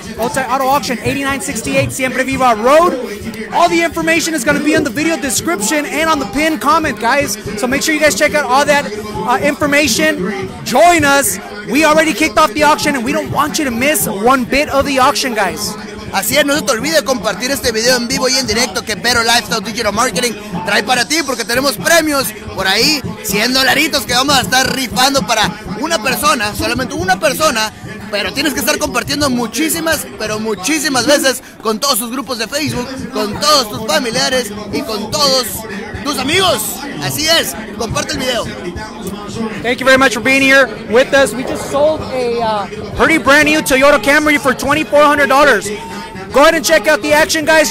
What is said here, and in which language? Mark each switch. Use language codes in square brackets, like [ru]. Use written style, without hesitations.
[en] Otay Auto Auction, 8968 Siempre Viva Road. All the information is going to be in the video description and on the pinned comment, guys. So make sure you guys check out all that information. Join us. We already kicked off the auction, and we don't want you to miss one bit of the auction, guys. [es] Así es, no se te olvide compartir este video en vivo y en directo que Better Lifestyle Digital Marketing trae para ti, porque tenemos premios por ahí, 100 dolaritos que vamos a estar rifando para una persona, solamente una persona, pero tienes que estar compartiendo muchísimas, pero muchísimas veces con todos tus grupos de Facebook, con todos tus familiares y con todos tus amigos. Así es, comparte el video. [en] Thank you very much for being here with us. We just sold a pretty brand new Toyota Camry for $2,400. Go ahead and check out the action, guys.